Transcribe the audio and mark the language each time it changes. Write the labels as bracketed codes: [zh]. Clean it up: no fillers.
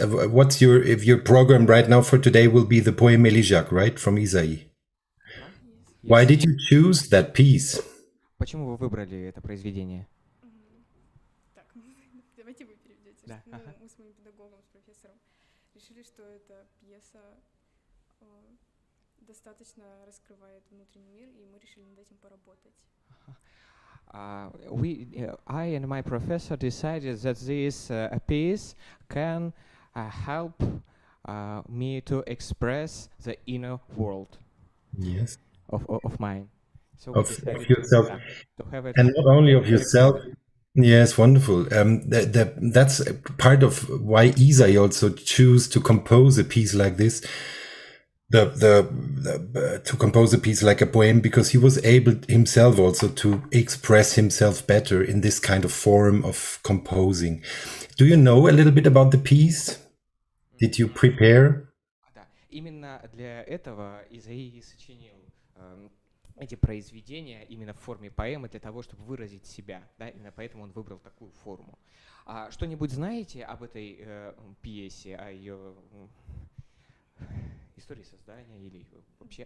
[en] What's your, if your program right now for today will be the poem Elijah, right? From Isaiah. Yes. Why did you choose that piece? [ru] Почему вы выбрали это произведение? Мы с моим педагогом, с профессором, решили, что эта пьеса достаточно раскрывает внутренний мир, и мы решили над этим поработать. [en] I and my professor decided that this piece can help me to express the inner world. Yes. Of mine. So of yourself. And not only of yourself. Yes, wonderful. That's a part of why Isai also choose to compose a piece like this, to compose a piece like a poem, because he was able himself also to express himself better in this kind of form of composing. Do you know a little bit about the piece? Did you prepare? [ru] Именно для этого Изай сочинил эти произведения именно в форме поэмы для того, чтобы выразить себя, да, именно поэтому он выбрал такую форму. А что-нибудь знаете об этой пьесе, о ее истории создания или вообще